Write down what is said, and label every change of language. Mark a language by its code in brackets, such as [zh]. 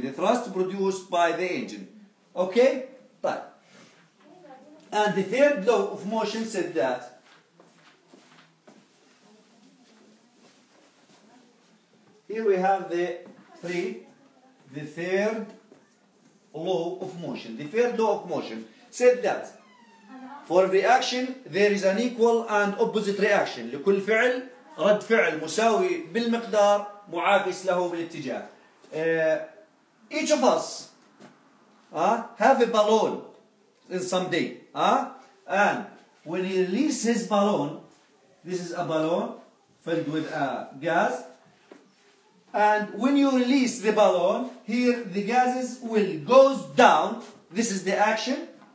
[en] The thrust produced by the engine. Okay? But, and the third law of motion said that here we have the third law of motion. The third law of motion said that for every action, there is an equal and opposite reaction. [ar] لكل فعل رد فعل مساوي بالمقدار معاكس له بالاتجاه. [en] Each of us have a balloon in some day. And when he releases his balloon, this is a balloon filled with gas. And when you release the balloon, here the gases will go down. This is the action.